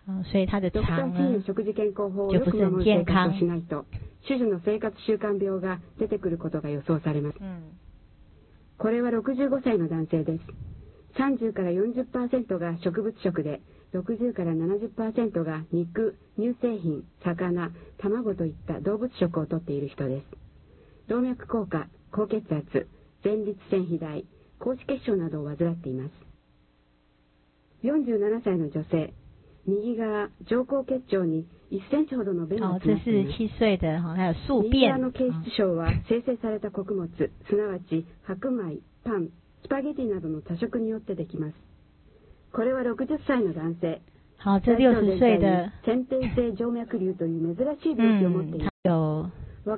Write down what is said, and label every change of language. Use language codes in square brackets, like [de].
[zh] 所以他的肠呢就不是很健康。 [ja] 主婦の生活習慣病が出てくることが予想されます。これは65歳の男性です。30から 40% が植物食で、60から 70% が肉、乳製品、魚、卵といった動物食をとっている人です。動脈硬化、高血圧、前立腺肥大、高脂血症などを患っています。 47歳の女性、右側、上行結腸に、 [zh] 这是七岁的，还有宿便。 [ja] 右側の憩室症は生成された穀物、すなわち白米、パン、スパゲティなどの多食によってできます。これは60歳の男性。 [zh] 好，这60岁的。 [ja] 先天性静脈瘤という珍しい病気を持っています。他有